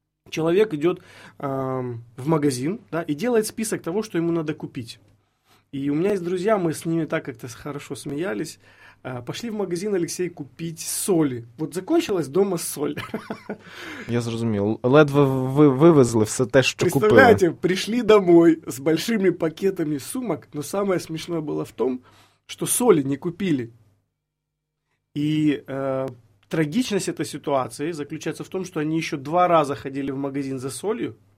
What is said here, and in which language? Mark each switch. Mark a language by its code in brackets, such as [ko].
[ru] Человек идет в магазин, да, и делает список того, что ему надо купить. И у меня есть друзья, мы с ними так как-то хорошо смеялись. Пошли в магазин, Алексей, купить соли. Вот закончилась дома соль. [uk] Я зрозумів. Ледве вивезли все те, що купили. [ru] Представляете, пришли домой с большими пакетами сумок, но самое смешное было в том, что соли не купили. И трагичность этой ситуации заключается в том, что они еще два раза ходили в магазин за солью.